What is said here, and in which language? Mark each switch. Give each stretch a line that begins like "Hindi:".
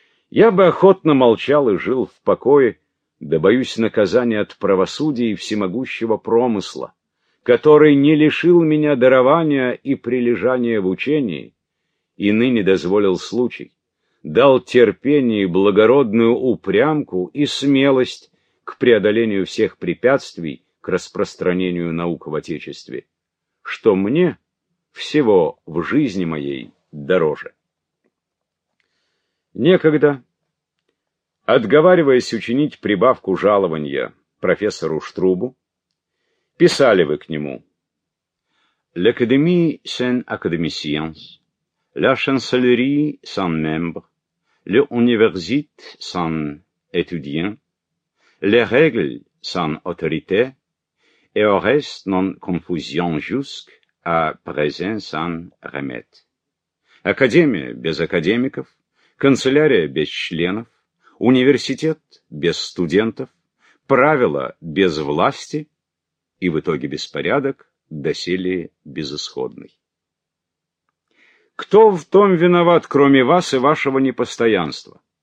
Russian: Я бы охотно молчал и жил в покое, да боюсь наказания от правосудия и всемогущего промысла, который не лишил меня дарования и прилежания в учении, и ныне дозволил случай, дал терпение и благородную упрямку и смелость к преодолению всех препятствий к распространению наук в Отечестве, что мне всего в жизни моей дороже. Некогда, отговариваясь учинить прибавку жалования профессору Штрубу, писали вы к нему
French: «L'Académie Saint-Académiciens». La chancellerie sans membre, l'université sans étudiant, les règles sans autorité, et au reste non confusion jusqu'à présent sans remède.
Russian: Академия без академиков, канцелярия без членов, университет без студентов, правила без власти, и в итоге беспорядок доселе безысходный. Кто в том виноват, кроме вас и вашего непостоянства?